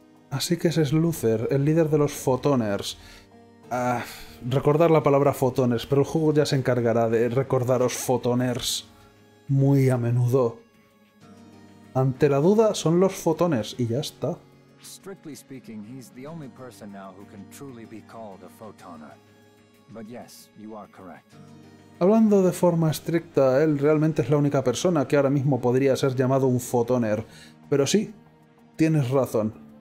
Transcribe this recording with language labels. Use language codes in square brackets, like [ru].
[es] Así que ese es Luther, el líder de los Photoners. Recordar la palabra Photoners, pero el juego ya se encargará de recordaros Photoners muy a menudo. Ante la duda, son los fotones y ya está. [en] Strictly speaking, he's the only person now who can truly be called a photoner. But yes, you are correct. [es] Hablando de forma estricta, él realmente es la única persona que ahora mismo podría ser llamado un fotoner. Pero sí, tienes razón.